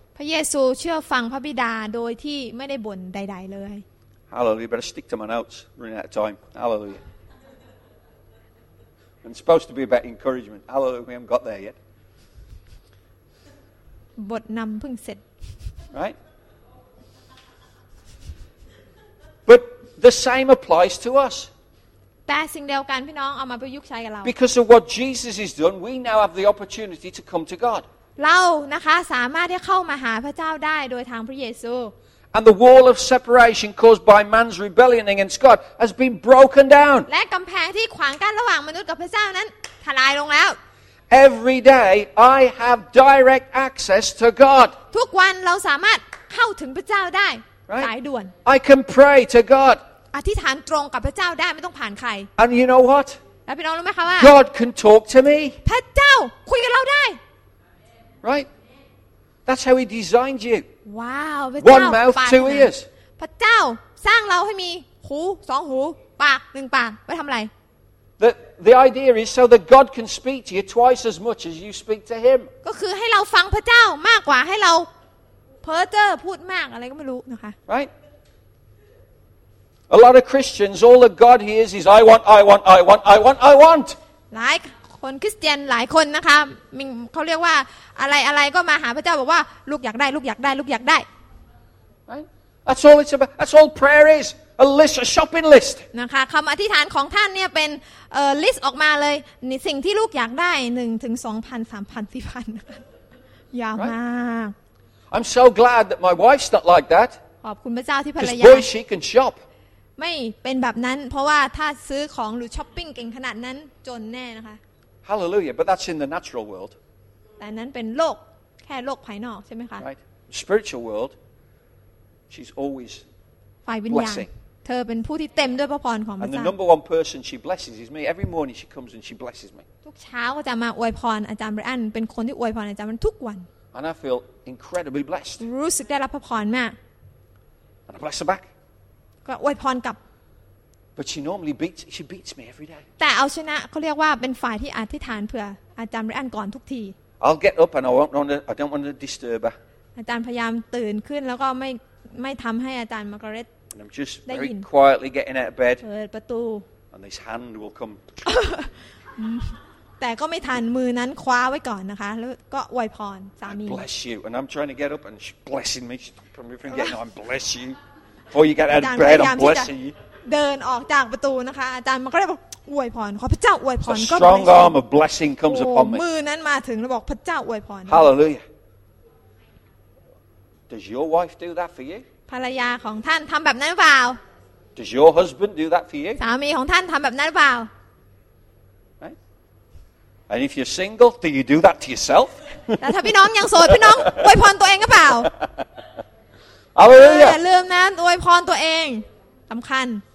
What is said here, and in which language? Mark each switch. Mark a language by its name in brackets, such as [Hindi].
[Thai] พระเยซูเชื่อฟังพระบิดาโดยที่ไม่ได้บ่นใดๆเลย [English] Hallelujah. Better stick to my notes. Running out of time. Hallelujah. And it's supposed to be about encouragement. Hallelujah. We haven't got there yet. [Thai] บทนำเพิ่งเสร็จ [English] Right? But the same applies to us. [Thai] แต่สิ่งเดียวกันพี่น้องเอามาประยุกต์ใช้กับเรา [English] Because of what Jesus has done, we now have the opportunity to come to God. [Thai] เรานะคะสามารถที่เข้ามาหาพระเจ้าได้โดยทางพระเยซู [English] And the wall of separation caused by man's rebellion against God has been broken down. [Thai] และกำแพงที่ขวางกั้นระหว่างมนุษย์กับพระเจ้านั้นทลายลงแล้ว [English] Every day I have direct access to God. [Thai] ทุกวันเราสามารถเข้าถึงพระเจ้าได้ [English] Right? I can pray to God. [Thai] อธิษฐานตรงกับพระเจ้าได้ไม่ต้องผ่านใคร [English] And you know what? [Thai] แล้วพี่น้องรู้ไหมคะว่า [English] God can talk to me. [Thai] พระเจ้าคุยกับเราได้ [English] Right? That's how He designed you. Wow. One mouth, two ears. [Thai] พระเจ้าสร้างเราให้มีหูสองหูปากหนึ่งปากไว้ทำอะไร [English] The idea is so that God can speak to you twice as much as you speak to Him. [Thai] ก็คือให้เราฟังพระเจ้ามากกว่าให้เราเพ้อเจ้อพูดมากอะไรก็ไม่รู้นะคะ [English] Right A lot of Christians all that God hears is I want I want I want I want I want [Thai] หลายคนคริสเตียนหลายคนนะคะมีเขาเรียกว่าอะไรอะไรก็มาหาพระเจ้าบอกว่าลูกอยากได้ลูกอยากได้ลูกอยากได้ [English] Right That's all it's about That's all prayer is a list a shopping list [Thai] นะคะคำอธิษฐานของท่านเนี่ยเป็นลิสต์ออกมาเลยในสิ่งที่ลูกอยากได้1ถึง 2,000 3,000 4,000 ยาวมาก [English] I'm so glad that my wife's not like that. [Thai] ขอบคุณพระเจ้าที่ภรรยา [English] Because she can shop. [Thai] ไม่เป็นแบบนั้นเพราะว่าถ้าซื้อของหรือช้อปปิ้งเก่งขนาดนั้นจนแน่นะคะ [English] Hallelujah, but that's in the natural world. [Thai] แต่นั้นเป็นโลกแค่โลกภายนอกใช่ไหมคะ [English] Right. Spiritual world. She's always blessing. [Thai] เธอเป็นผู้ที่เต็มด้วยพระพรของพระเจ้า [English] And the number one person she blesses is me. Every morning she comes and she blesses me. [Thai] ทุกเช้าก็จะมาอวยพรอาจารย์ไบรอันเป็นคนที่อวยพรอาจารย์ทุกวัน [English] And I feel incredibly blessed. [Thai] รู้สึกได้รับพระพรมาก [English] And I bless her back. [Thai] ก็อวยพรกลับ [English] But she normally beats. She beats me every day. [Thai] แต่เอาชนะเขาเรียกว่าเป็นฝ่ายที่อธิษฐานเผื่ออาจารย์ไรอันก่อนทุกที [English] I'll get up and I don't want to disturb her. [Thai] อาจารย์พยายามตื่นขึ้นแล้วก็ไม่ทำให้อาจารย์มาการ์เร็ตได้ยิน [English] I'm just very quietly getting out of bed. [Thai] เปิดประตู [English] And this hand will come. [Thai] แต่ก็ไม่ทันมือนั้นคว้าไว้ก่อนนะคะแล้วก็อวยพรสามี [English] Bless you and I'm trying to get up and she's blessing me from your friend getting on bless you before you get out of bed I'm blessing you [Thai] เดินออกจากประตูนะคะอาจารย์มันก็เลยบอกอวยพรขอพระเจ้าอวยพรก็ [English] Strong arm of blessing comes upon me [Thai] มือนั้นมาถึงแล้วบอกพระเจ้าอวยพร [English] Hallelujah Does your wife do that for you [Thai] ภรรยาของท่านทำแบบนั้นเปล่า [English] Does your husband do that for you [Thai] สามีของท่านทำแบบนั้นเปล่า [English] And if you're single, do you do that to yourself? [Thai] แต่ถ้าพี่น้องยังโสดพี่น้องอวยพรตัวเองก็เปล่า [English] Hallelujah. [Thai] อย่าลืมนะอวยพรตัวเองสำคัญ